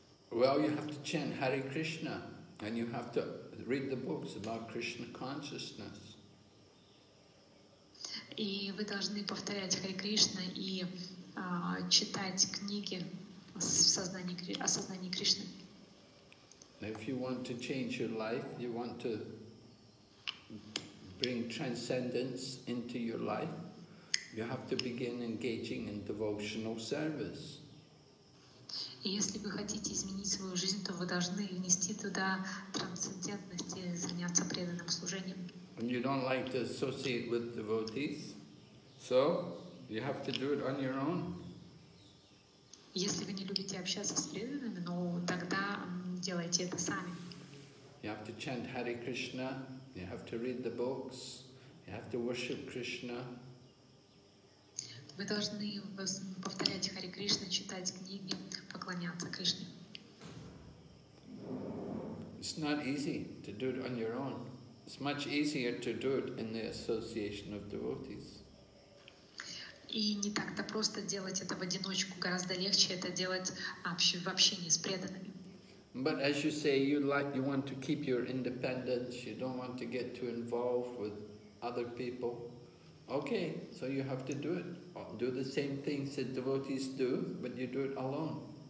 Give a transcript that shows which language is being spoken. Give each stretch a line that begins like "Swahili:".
English: Well, you have to chant Hare Krishna and you have to read the books about Krishna consciousness.
Russian: И вы должны повторять Харе Кришна и читать книги о сознании Кришны.
English: If you want to change your life, you want to bring transcendence into your life, you have to begin engaging in devotional service.
Russian: Если вы хотите изменить свою жизнь, то вы должны внести туда трансцендентность и заняться преданным служением.
English: And you don't like to associate with devotees, so you have to do it on your own.
Russian: Если вы не любите общаться с преданными, но тогда делайте это сами.
English: You have to chant Hare Krishna, you have to read the books, you have to worship Krishna.
Russian: Вы должны повторять Харе Кришна, читать книги, поклоняться Кришне.
English: It's not easy to do it on your own. It's much easier to do it in the association of devotees.
Russian: И не так-то просто делать это в одиночку. Гораздо легче это делать в общении с преданными.
English: But as you say, you want to keep your independence. You don't want to get too involved with other people. Okay, so you have to do it. Do the same things that devotees do, but you do it alone.